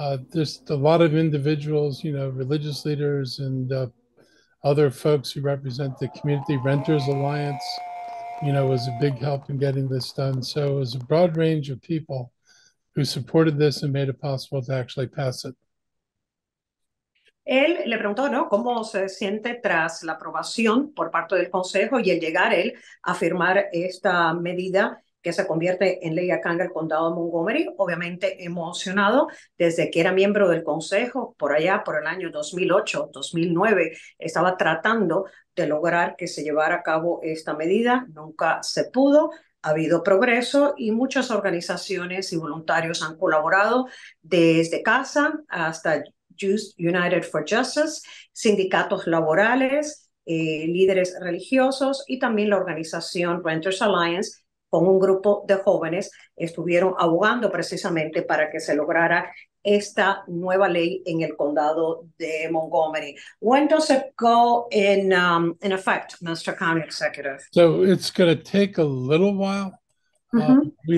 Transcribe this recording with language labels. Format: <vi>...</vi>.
<en>There's a lot of individuals, you know, religious leaders and other folks who represent the Community Renters Alliance, you know, was a big help in getting this done. So it was a broad range of people who supported this and made it possible to actually pass it.</en> <es>Él le preguntó, ¿no?, cómo se siente tras la aprobación por parte del Consejo y el llegar él a firmar esta medida que se convierte en ley acá en el condado de Montgomery, obviamente emocionado desde que era miembro del consejo por allá por el año 2008, 2009, estaba tratando de lograr que se llevara a cabo esta medida, nunca se pudo, ha habido progreso y muchas organizaciones y voluntarios han colaborado desde casa hasta Jews United for Justice, sindicatos laborales, líderes religiosos y también la organización Renters Alliance, con un grupo de jóvenes estuvieron abogando precisamente para que se lograra esta nueva ley en el condado de Montgomery.</es> <en>When does it go in effect, Mr. County Executive? So it's going to take a little while. Mm-hmm.</en>